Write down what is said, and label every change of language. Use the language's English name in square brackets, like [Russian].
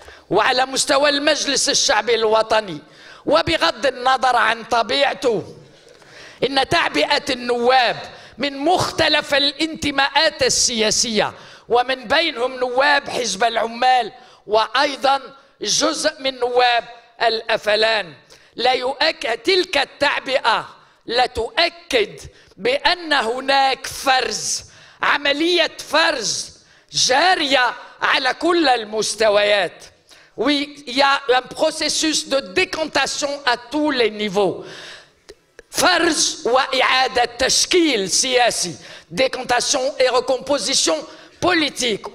[Arabic] وعلى مستوى المجلس الشعبي الوطني، وبغض النظر عن طبيعته، إن تعبئة النواب من مختلف الانتماءات السياسية ومن بينهم نواب حزب العمال وأيضا جزء من نواب الأفلان، تلك التعبئة لا تؤكد بأن هناك عملية فرز جارية على كل المستويات. [French] Oui, il y a un processus de décantation à tous les niveaux. [Arabic] فرز وإعادة تشكيل سياسي، [French] décantation et recomposition politique.